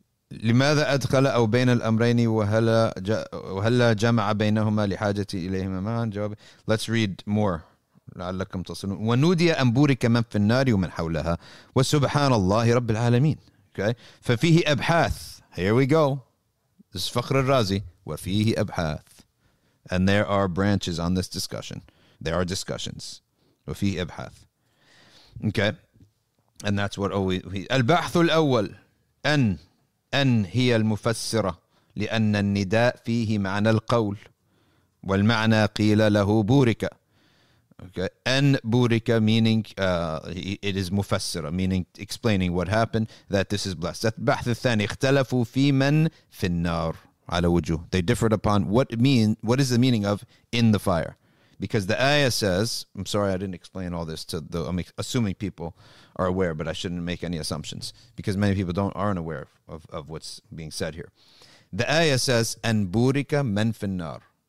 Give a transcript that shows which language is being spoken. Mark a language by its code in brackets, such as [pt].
[ar] لماذا أدخل أو بين الأمرين وهلا جمع بينهما لحاجة إليهما معا جواب. [en] Let's read more. [ar] لعلكم تصلون. ونودي أن بورك من في النار ومن حولها وسبحان الله رب العالمين. [en] Okay. [ar] ففيه أبحاث. [en] Here we go. This is فخر الرازي. [ar] وفيه أبحاث. [en] And there are branches on this discussion. There are discussions. [ar] وفيه أبحاث. [en] Okay. And that's what always... [ar] البحث الأول أن هي المفسرة لأن النداء فيه معنى القول والمعنى قيل له بورك. [en] Okay. [ar] أن بورك [en] meaning it is مفسرة meaning explaining what happened that this is blessed. [ar] البحث الثاني اختلفوا في من في النار على وجوه. [en] They differed upon what is the meaning of in the fire. Because the ayah says, I'm sorry I didn't explain all this to the, I'm assuming people are aware, but I shouldn't make any assumptions. Because many people aren't aware of what's being said here. The ayah says, "An burika man fi an-nar."